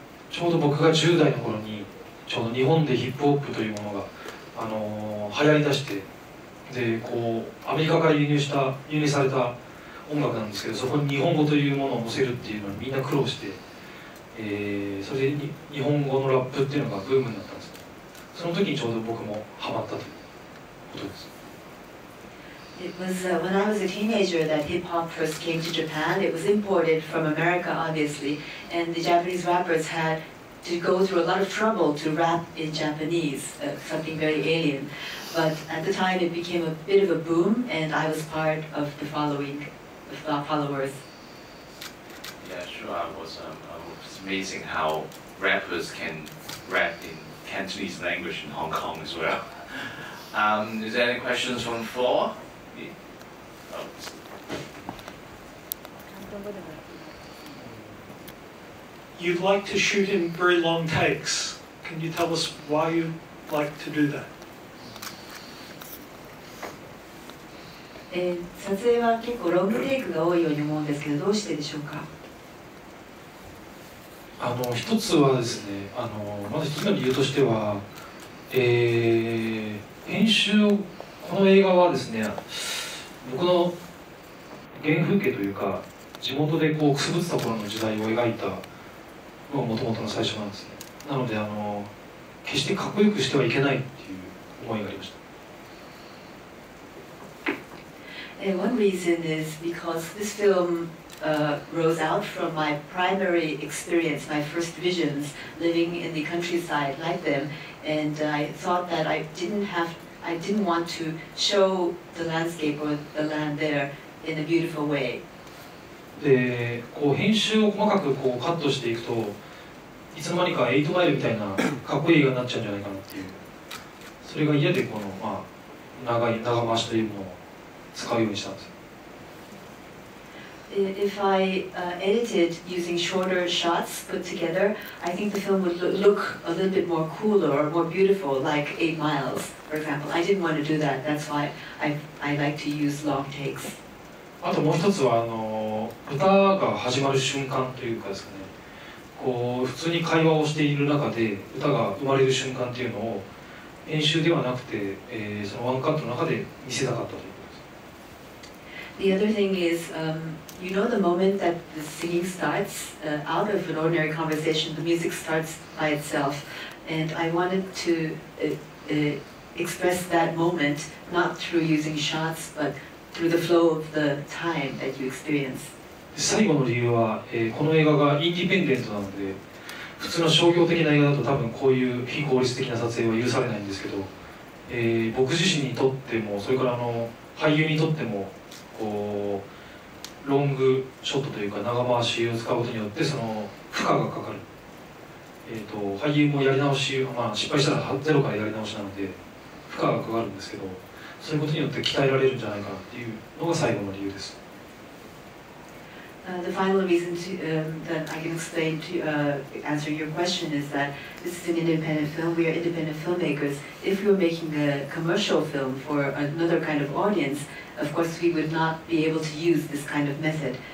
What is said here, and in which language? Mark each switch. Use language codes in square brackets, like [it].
[ja] ちょうど僕が10代の頃にちょうど日本でヒップホップというものが流行りだして、でこうアメリカから輸入された音楽なんですけど、そこに日本語というものを載せるっていうのにみんな苦労して、それでに日本語のラップっていうのがブームになったんです。その時にちょうど僕もハマったということです。 [en] It was when I was a teenager that hip-hop first came to Japan. It was imported from America, obviously. And the Japanese rappers had to go through a lot of trouble to rap in Japanese, something very alien. But at the time, it became a bit of a boom, and I was part of the following followers. Yeah, sure. It was amazing how rappers can rap in Cantonese language in Hong Kong as well. Is there any questions from the floor? You like to shoot in very long takes. Can you tell us why you like to do that? [ja] 撮影は結構ロングテイクが多いように思うんですけど、どうしてでしょうか。一つはですね、まず一つの理由としては、編集をこの映画はですね、僕の原風景というか地元でこうくすぶった頃の時代を描いたのがもともとの最初なんですね。なので決してかっこよくしてはいけないっていう思いがありました。 [en] One reason is because this film rose out from my primary experience, my first visions living in the countryside like them, and I thought that I didn't want to show the landscape or the land there in a beautiful way. [ja] で、こう編集を細かくこうカットしていくと、いつの間にか8マイルみたいなかっこいい映画になっちゃうんじゃないかなっていう。それが嫌でこの長回しというものを使うようにしたんです。 [en] If I edited using shorter shots put together, I think the film would look a little bit more cooler or more beautiful, like 8 miles, for example. I didn't want to do that. That's why I like to use long takes. [ja] あともう一つは歌が始まる瞬間というかですかね。こう普通に会話をしている中で歌が生まれる瞬間というのを編集ではなくて、そのワンカットの中で見せたかったと。 [en] The other thing is, you know the moment that the singing starts, out of an ordinary conversation, the music starts by itself. And I wanted to express that moment, not through using shots, but through the flow of the time that you experience. [ja] 最後の理由は、この映画がインディペンデントなので、普通の商業的な映画だと多分こういう非効率的な撮影は許されないんですけど、僕自身にとっても、それから俳優にとっても、こうロングショットというか長回しを使うことによってその負荷がかかる、俳優もやり直し、失敗したらゼロからやり直しなので負荷がかかるんですけど、そういうことによって鍛えられるんじゃないかなっていうのが最後の理由です。 [en] The final reason to, that I can explain to answer your question is that this is an independent film. We are independent filmmakers. If we were making a commercial film for another kind of audience, of course we would not be able to use this kind of method.